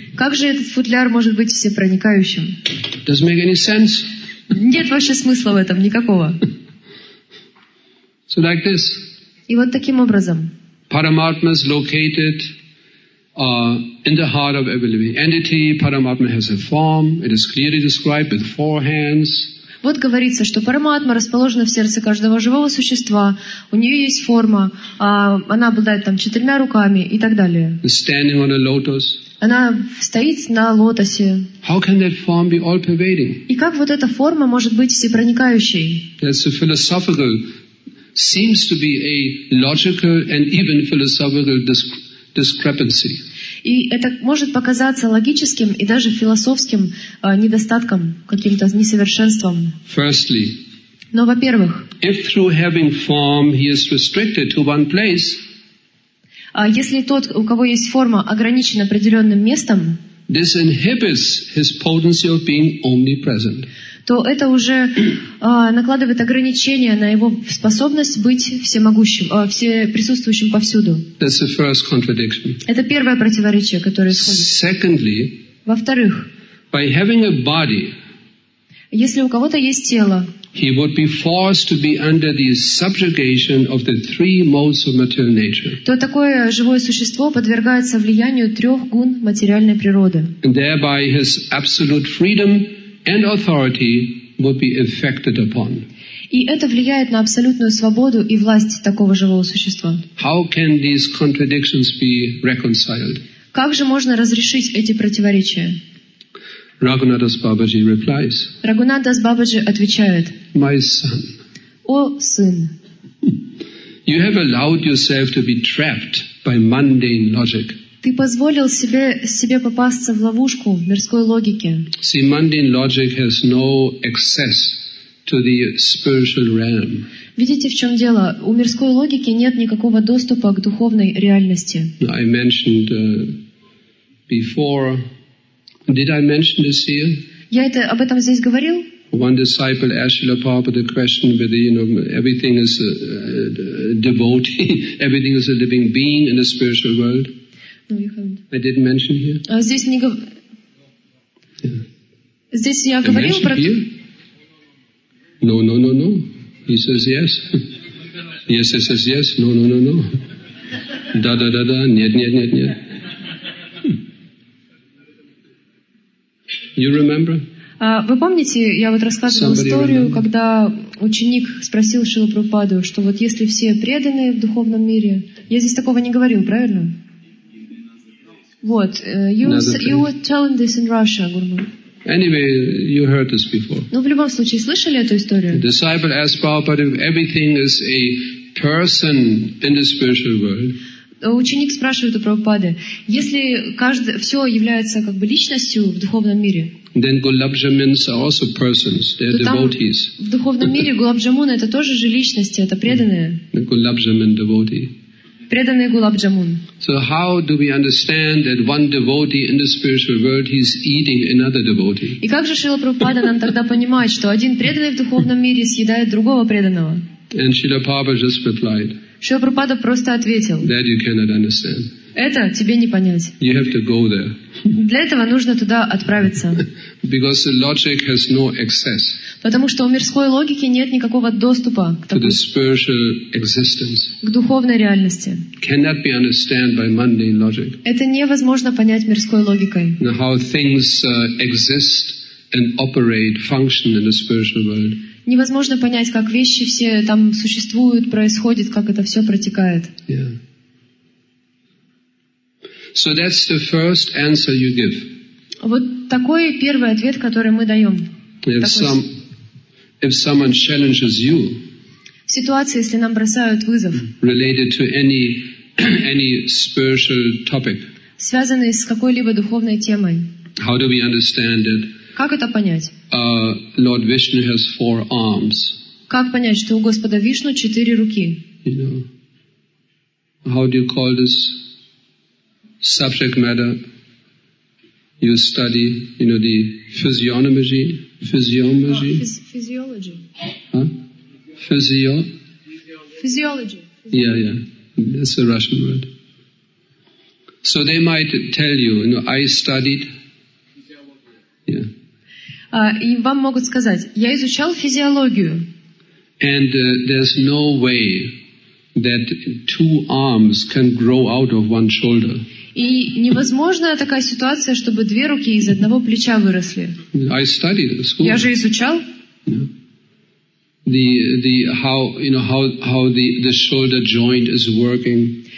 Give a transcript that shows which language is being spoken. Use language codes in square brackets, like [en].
[ru] Как же этот футляр может быть всепроникающим? [en] Does it make any sense? [ru] Нет вообще смысла в этом никакого. [en] So like this. [ru] И вот таким образом. [en] Paramatma is located in the heart of every living entity. Paramatma has a form. It is clearly described with four hands. [ru] Вот говорится, что Параматма расположена в сердце каждого живого существа, у нее есть форма, она обладает там четырьмя руками и так далее. [en] Standing on a lotus. [ru] Она стоит на лотосе. [en] How can that form be all-pervading? [ru] И как вот эта форма может быть всепроникающей? [en] That's a philosophical, seems to be a logical and even philosophical discrepancy. [ru] И это может показаться логическим и даже философским недостатком, каким-то несовершенством. [en] Firstly, [ru] но, во-первых, [en] if through having form he is restricted to one place, [ru] если тот, у кого есть форма, ограничен определенным местом, [en] this inhibits his potency of being omnipresent. [ru] То это уже накладывает ограничения на его способность быть всемогущим, всеприсутствующим повсюду. [en] That's the first contradiction. [ru] Это первое противоречие, которое исходит. [en] Secondly, [ru] во-вторых, [en] by having a body, [ru] если у кого-то есть тело, [en] he would be forced to be under the subjugation of the three modes of material nature. [ru] То такое живое существо подвергается влиянию трех гун материальной природы. [en] And thereby his absolute freedom and authority would be affected upon. [ru] И это влияет на абсолютную свободу и власть такого живого существа. [en] How can these contradictions be reconciled? [ru] Как же можно разрешить эти противоречия? [en] Raghunath Das Babaji replies. [ru] Raghunath Das Babaji отвечает. [en] My son. [ru] О, сын. [en] You have allowed yourself to be trapped by mundane logic. [ru] Ты позволил себе попасться в ловушку мирской логики. [en] See, mundane logic has no access to the spiritual realm. [ru] Видите, в чем дело? У мирской логики нет никакого доступа к духовной реальности. [en] I mentioned before. Did I mention this here? [ru] Я это об этом здесь говорил? [en] One disciple asked Srila Prabhupada the question whether, you know, everything is a devotee, everything is a living being in the spiritual world. No, you haven't. I didn't mention here. [ru] Здесь не говорил. Здесь я говорил про. [en] No, no, no, no. He says yes. Yes, yes, yes, yes. No, no, no, no. [ru] Da, da, da, da. Нет, нет, нет, нет. [en] You remember? [ru] Вы помните, я вот рассказывала [en] Somebody [ru] историю, [en] remember? [ru] Когда ученик спросил Шрилу Прабхупаду, что вот если все преданные в духовном мире... Я здесь такого не говорил, правильно? Вот. [en] You were telling this in Russia, Гурма. Anyway, you heard this before. [ru] Ну, в любом случае, слышали эту историю? [en] The disciple asked Prabhupada if everything is a person in the spiritual world. [ru] Ученик спрашивает у Прабхупады, если все является как бы личностью в духовном мире, [en] then gulabjamins are also persons, they're devotees. [ru] В духовном мире гулабджамун это тоже же личности, это преданные. [en] Gulabjamin devotee. [ru] Преданные гулабджамун. [en] So how do we understand that one devotee in the spiritual world he's eating another devotee? [ru] И как же Шрила Прабхупада нам тогда понимать, что один преданный в духовном мире съедает другого преданного? [en] And Srila Prabhupada just replied. [ru] Шрила Прабхупада просто ответил. [en] That you cannot understand. [ru] Это тебе не понять. [en] You have to go there. [ru] Для этого нужно туда отправиться. [en] Because the logic has no access. [ru] Потому что у мирской логики нет никакого доступа к такой, [en] to the spiritual existence. [ru] К духовной реальности. [en] Cannot be understood by mundane logic. [ru] Это невозможно понять мирской логикой. [en] Now how things exist and operate, function in the spiritual world. [ru] Невозможно понять, как вещи все там существуют, происходят, как это все протекает. [en] Yeah. So that's the first answer you give. [ru] Вот такой первый ответ, который мы даем. [en] If someone challenges you, [ru] в ситуации, если нам бросают вызов, [en] related to any spiritual topic, [ru] связанный с какой-либо духовной темой, [en] how do we understand it? [ru] Как это понять? [en] Lord Vishnu has four arms. [ru] Как понять, что у Господа Вишну четыре руки? [en] You know, how do you call this? Subject matter, you study, you know, the physiology. Physiology. Yeah, that's a Russian word. So they might tell you, you know, I studied. Yeah. [ru] И вам могут сказать, я изучал физиологию. [en] And there's no way that two arms can grow out of one shoulder. [ru] И невозможна такая ситуация, чтобы две руки из одного плеча выросли. [en] I studied at school. [ru] Я же изучал. [en] The how, you know, how the shoulder joint is working.